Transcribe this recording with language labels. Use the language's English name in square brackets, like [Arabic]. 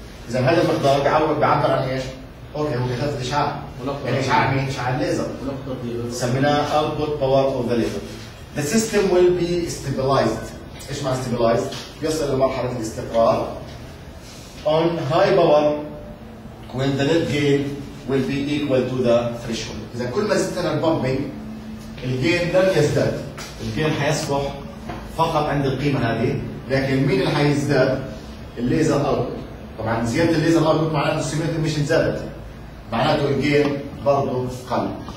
[Arabic] إذا هذا المقدار بيعبر عن إيش؟ أوكي هو كثافة الإشعاع. يعني إشعاع مين؟ إشعاع الليزر. سميناه أوت أوت باور أوف ذا ليزر. [English] The system will be stabilized. [Arabic] إيش معنى stabilized؟ يصل لمرحلة الاستقرار. [English] On high power when the net gain will be equal to the threshold. [Arabic] إذا كل ما زدنا البامبينج الجين لن يزداد. الجين حيصبح فقط عند القيمة هذه. لكن مين اللي حيزداد؟ الليزر أوتبوت. طبعا زيادة الليزر أوتبوت معناته السيميليشن مش زادت. معناته الجين برضه قل.